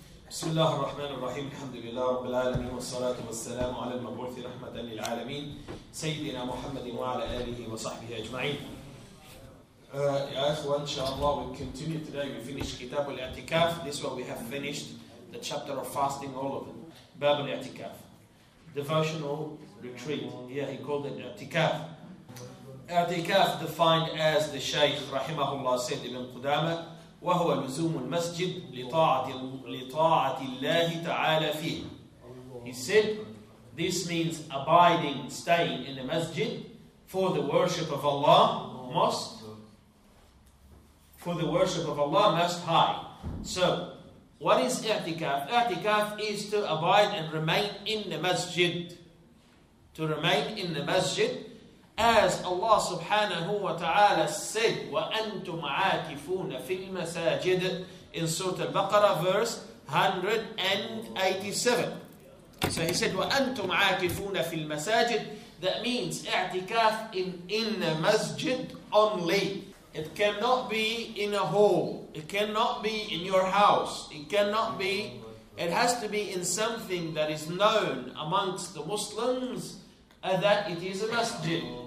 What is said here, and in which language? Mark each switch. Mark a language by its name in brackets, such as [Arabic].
[Arabic] بسم الله الرحمن الرحيم، الحمد لله رب العالمين، والصلاة والسلام على المبعوث رحمة للعالمين سيدنا محمد وعلى آله وصحبه أجمعين. يا أخوة، إن شاء الله [English] we continue today. We finish [Arabic] كتاب الاعتكاف. [English] This one we have finished the chapter of fasting, all of it. [Arabic] باب الاعتكاف. [English] Devotional retreat. Here he called it اعتكاف. اعتكاف defined as the Shaykh رحمه الله said Ibn قدامة. [Arabic] وهو لزوم المسجد لطاعة الله تعالى فيه. [English] He said, this means abiding, staying in the masjid for the worship of Allah most, for the worship of Allah most high. So, what is i'tikaf? I'tikaf is to abide and remain in the masjid. To remain in the masjid. As Allah subhanahu wa ta'ala said, [Arabic] وَأَنْتُمْ عَاكِفُونَ فِي الْمَسَاجِدِ [English] in Surah Al-Baqarah verse 187. So he said, [Arabic] وَأَنْتُمْ عَاكِفُونَ فِي الْمَسَاجِدِ. [English] That means i'tikaf in the masjid only. It cannot be in a hall. It cannot be in your house. It cannot be. It has to be in something that is known amongst the Muslims that it is a masjid.